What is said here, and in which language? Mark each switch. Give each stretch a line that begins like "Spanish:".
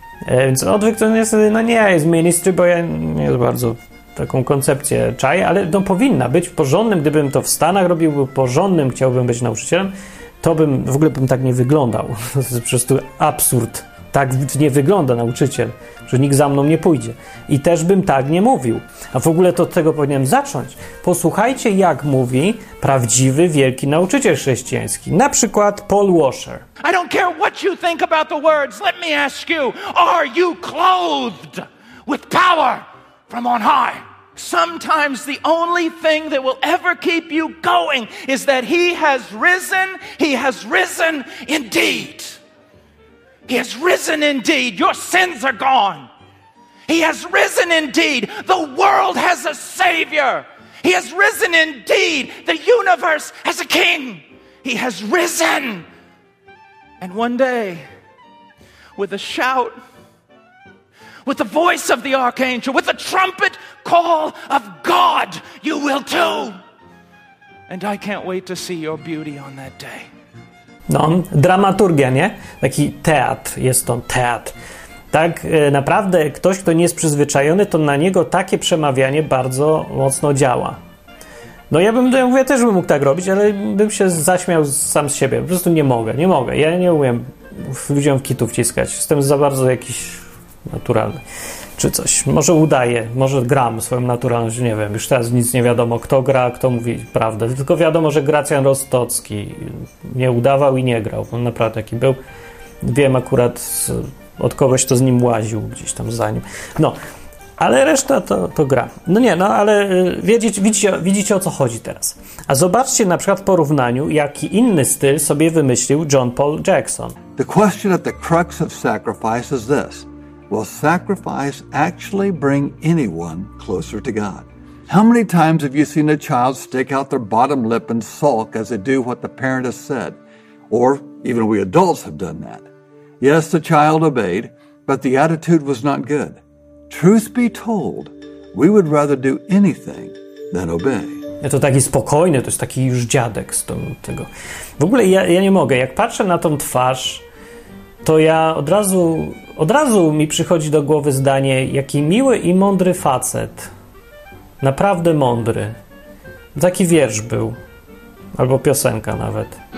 Polish: Więc odwyk to niestety, no nie jest ministry, bo ja nie bardzo taką koncepcję czaję, ale no powinna być porządnym, gdybym to w Stanach robił, był porządnym, chciałbym być nauczycielem, to bym, w ogóle bym tak nie wyglądał. To jest po prostu absurd. Tak nie wygląda nauczyciel, że nikt za mną nie pójdzie. I też bym tak nie mówił. A w ogóle to od tego powinienem zacząć. Posłuchajcie, jak mówi prawdziwy, wielki nauczyciel chrześcijański. Na przykład Paul Washer.
English: I don't care what you think about the words. Let me ask you, are you clothed with power from on high? Sometimes the only thing that will ever keep you going is that he has risen indeed. He has risen indeed. Your sins are gone. He has risen indeed. The world has a savior. He has risen indeed. The universe has a king. He has risen And one day, with a shout, with the voice of the archangel, with the trumpet call of God, you will too. And I can't wait to see your beauty on that day.
Polish: No, dramaturgia, nie? Taki teatr, jest to teatr. Tak naprawdę ktoś, kto nie jest przyzwyczajony, to na niego takie przemawianie bardzo mocno działa. No ja bym, ja mówię, też bym mógł tak robić, ale bym się zaśmiał sam z siebie. Po prostu nie mogę, nie mogę. Ja nie umiem ludziom w kitu wciskać. Jestem za bardzo jakiś naturalny czy coś. Może udaję, może gram swoją naturalność, nie wiem. Już teraz nic nie wiadomo, kto gra, kto mówi prawdę. Tylko wiadomo, że Gracjan Rostocki nie udawał i nie grał. On naprawdę taki był. Wiem akurat od kogoś, kto z nim łaził gdzieś tam za nim. No, ale reszta to gra. No nie, no ale widzicie o co chodzi teraz. A zobaczcie na przykład w porównaniu, jaki inny styl sobie wymyślił John Paul Jackson.
English: The question at the crux of sacrifice is this. Will sacrifice actually bring anyone closer to God? How many times have you seen a child stick out their bottom lip and sulk as they do what the parent has said? Or even we adults have done that. Yes, the child obeyed, but the attitude was not good. Truth be told, we would rather do anything than obey.
Polish: Ja to taki spokojny, to jest taki już dziadek z tego. W ogóle ja nie mogę. Jak patrzę na tą twarz, to ja od razu mi przychodzi do głowy zdanie, jaki miły i mądry facet. Naprawdę mądry. Taki wiersz był. Albo piosenka nawet.